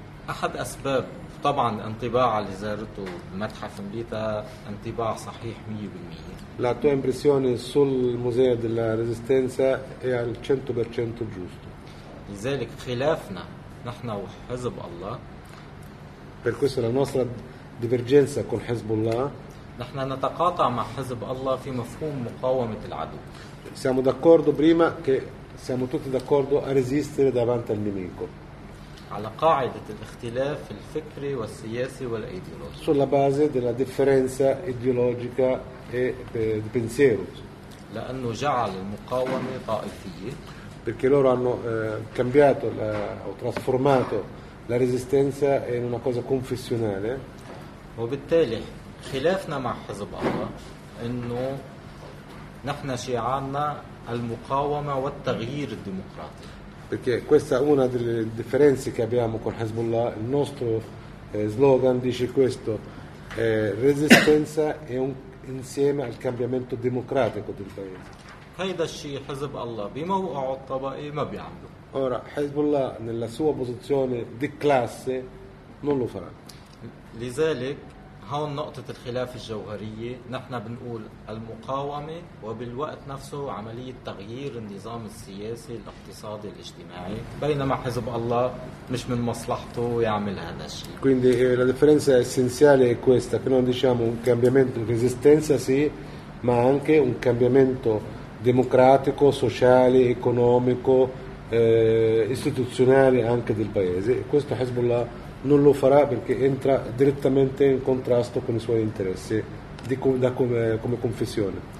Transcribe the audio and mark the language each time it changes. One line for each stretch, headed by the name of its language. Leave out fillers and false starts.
Arabic: أحد أسباب طبعا انطباع اللي زارته متحف مبيتا انطباع صحيح 100%.
Italian: La tua impressione sul museo della resistenza è al 100% giusto.
Arabic: لذلك خلافنا نحن وحزب الله.
Italian: Per questo la nostra divergenza con Hezbollah.
Arabic: نحن نتقاطع مع حزب الله في مفهوم مقاومة العدو.
Italian: Siamo d'accordo prima che siamo tutti d'accordo a resistere davanti al nemico.
Arabic: على قاعدة الاختلاف الفكري والسياسي والأيديولوجي.
Italian: Sulla base della differenza ideologica e di pensiero.
Arabic: لأنه جعل المقاومة طائفية.
Italian: Perché loro hanno cambiato o trasformato la resistenza in una cosa confessionale.
Arabic: وبالتالي خلافنا مع حزب الله انه نحن شعارنا المقاومه والتغيير الديمقراطي.
Italian: Perché questa è una delle differenze che abbiamo con Hezbollah, il nostro slogan dice questo, resistenza è un insieme al cambiamento democratico del paese.
Arabic: هيدا الشيء حزب الله بموقعه الطبقي ما بيعمله.
Italian: Ora Hezbollah nella sua posizione di classe non lo farà.
Arabic: لذلك هون نقطة الخلاف الجوهرية نحن بنقول المقاومة وبالوقت نفسه عملية تغيير النظام السياسي الاقتصادي الاجتماعي بينما حزب الله مش من مصلحته يعمل هذا الشيء.
Italian: Quindi la differenza essenziale è questa, che non diciamo un cambiamento di resistenza sì, ma anche un cambiamento democratico, sociale, economico, istituzionale anche del paese. Questo حزب الله non lo farà perché entra direttamente in contrasto con i suoi interessi di come confessione.